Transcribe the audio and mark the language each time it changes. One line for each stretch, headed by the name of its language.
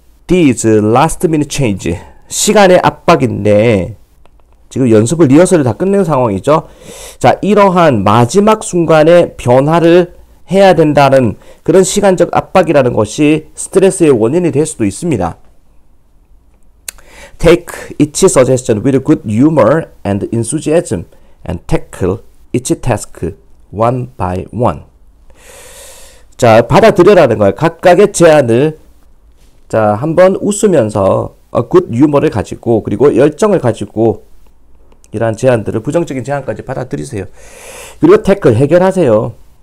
English: These last minute change.
Korean: 시간의 압박인데, 지금 연습을 리허설을 다 끝낸 상황이죠. 자, 이러한 마지막 순간에 변화를 해야 된다는 그런 시간적 압박이라는 것이 스트레스의 원인이 될 수도 있습니다.
English: Take each suggestion with good humor and enthusiasm and tackle each task one by one.
Korean: 자, 받아들여라는 거예요. 각각의 제안을 자, 한번 웃으면서 굿 유머를 가지고 그리고 열정을 가지고 이러한 제안들을 부정적인 제안까지 받아들이세요. 그리고 태클 해결하세요.